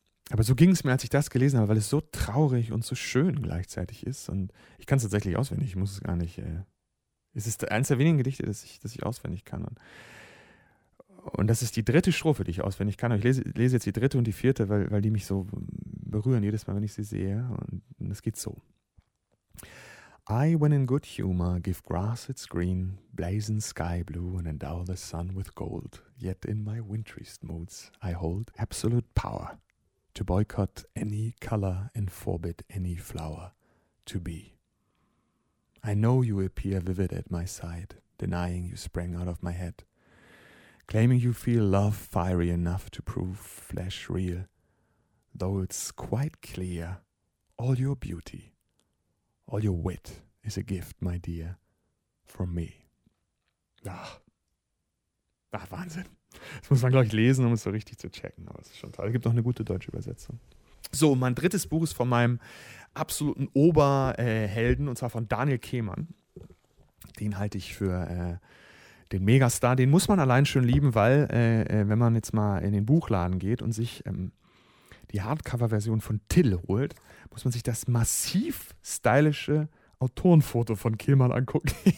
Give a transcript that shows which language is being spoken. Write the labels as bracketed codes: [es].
[de] Aber so ging es mir, als ich das gelesen habe, weil es so traurig und so schön gleichzeitig ist. Und ich kann es tatsächlich auswendig, ich muss es gar nicht. Es ist eines der wenigen Gedichte, das ich auswendig kann. Und das ist die dritte Strophe, die ich auswendig kann. Und ich lese jetzt die dritte und die vierte, weil die mich so berühren jedes Mal, wenn ich sie sehe. Und es geht so. [en] I, when in good humor, give grass its green, blazon sky blue, and endow the sun with gold, yet in my wintriest moods I hold absolute power to boycott any color and forbid any flower to be. I know you appear vivid at my side, denying you sprang out of my head, claiming you feel love fiery enough to prove flesh real, though it's quite clear all your beauty, all your wit is a gift, my dear, from me. [de] Ach, Wahnsinn. Das muss man, glaube ich, lesen, um es so richtig zu checken. Aber es ist schon toll. Es gibt noch eine gute deutsche Übersetzung. So, mein drittes Buch ist von meinem absoluten Oberhelden, und zwar von Daniel Kehmann. Den halte ich für den Megastar. Den muss man allein schön lieben, weil wenn man jetzt mal in den Buchladen geht und sich die Hardcover-Version von Till holt, muss man sich das massiv stylische Autorenfoto von Kehmann angucken.